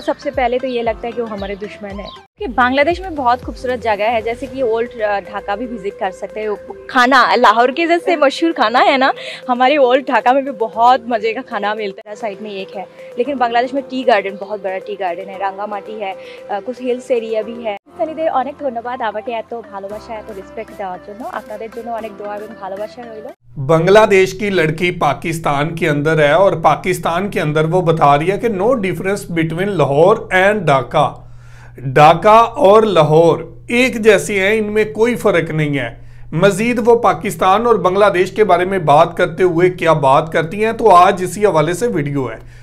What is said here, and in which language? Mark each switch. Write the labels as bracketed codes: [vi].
[hi] सबसे पहले तो ये लगता है कि वो हमारे दुश्मन है। कि बांग्लादेश में बहुत खूबसूरत जगह है, जैसे कि ओल्ड ढाका भी विजिट कर सकते हैं। खाना लाहौर के जैसे मशहूर खाना है ना, हमारे ओल्ड ढाका में भी बहुत मज़े का खाना मिलता है, साइड में एक है। लेकिन बांग्लादेश में टी गार्डन, बहुत बड़ा टी गार्डन है, रंगामाटी है, कुछ हिल्स एरिया भी है। [bn] অনেক ধন্যবাদ আমাকে এত ভালোবাসা এত রেসপেক্ট দেওয়ার জন্য, আপনাদের জন্য অনেক দোয়া এবং ভালোবাসা রইল। [hi] बांग्लादेश की लड़की पाकिस्तान के अंदर है और पाकिस्तान के अंदर वो बता रही है कि no difference between Lahore and Dhaka, Dhaka और लाहौर एक जैसी हैं, इनमें कोई फर्क नहीं है। मजीद वो पाकिस्तान और बांग्लादेश के बारे में बात करते हुए क्या बात करती हैं, तो आज इसी हवाले से वीडियो है।